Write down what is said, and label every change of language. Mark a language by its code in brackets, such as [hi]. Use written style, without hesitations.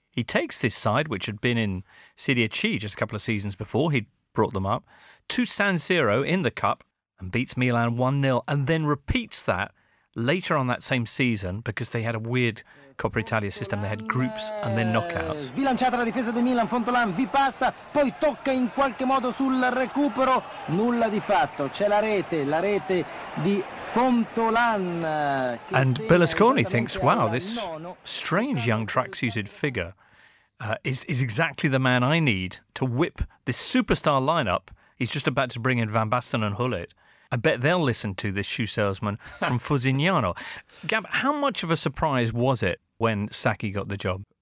[en] he takes this side, which had been in Serie C just a couple of seasons before, he'd brought them up, to San Siro in the cup and beats Milan 1-0 and then repeats that later on that same season, because they had a weird Coppa Italia system, they had groups and then knockouts. [it] Bilanciata la difesa di Milan, Fontolan vi passa, poi tocca in qualche modo sul recupero, nulla di fatto, c'è la rete di Fontolan. [en] And Berlusconi thinks, wow, this strange young tracksuited figure is exactly the man I need to whip this superstar lineup. He's just about to bring in Van Basten and Hullet. I bet they'll listen to this shoe salesman from Fusignano. Gab, how much of a surprise was it when Sacchi got the job?